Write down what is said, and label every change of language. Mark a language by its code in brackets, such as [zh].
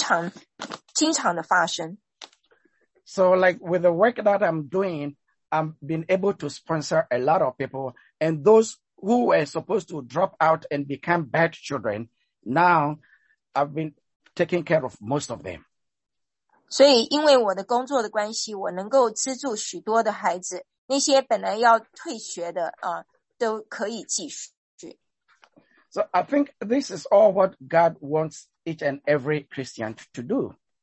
[zh] 所以因为儿童们不愿意去上学，所以有很多的偷窃的事情，这些事情很经常的发生。 [en] So like with the work that I'm doing, I've been able to sponsor a lot of people. And those who were supposed to drop out and become bad children, now I've been taking care of most of them. [zh] 所以因为我的工作的关系，我能够资助许多的孩子，那些本来要退学的都可以继续。 [en] So I think this is all what God wants each and every Christian to do.